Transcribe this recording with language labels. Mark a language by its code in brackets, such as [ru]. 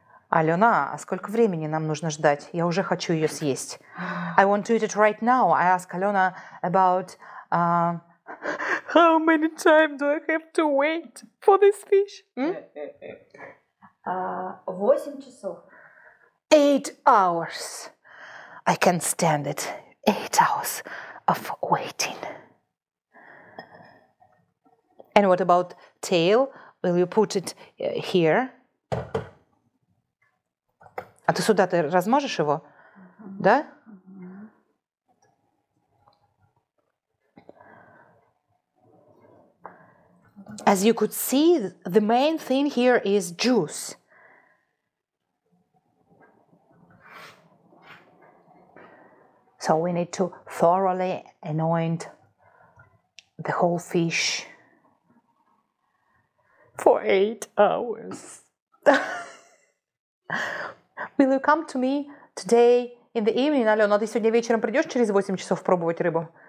[ru] Алена, а сколько времени нам нужно ждать? Я уже хочу ее съесть. [en] I want to eat it right now. I ask Алена about how many time do I have to wait for this fish? [ru] 8 часов. [en] 8 hours. I can't stand it. 8 hours of waiting. And what about tail? Will you put it here? [ru] А ты сюда, ты размажешь его? Uh-huh. Да? Uh-huh. [en] As you could see, the main thing here is juice. So we need to thoroughly anoint the whole fish. For 8 hours. Will you come to me today in the evening, Алена? [ru] Ты сегодня вечером придешь через 8 часов пробовать рыбу?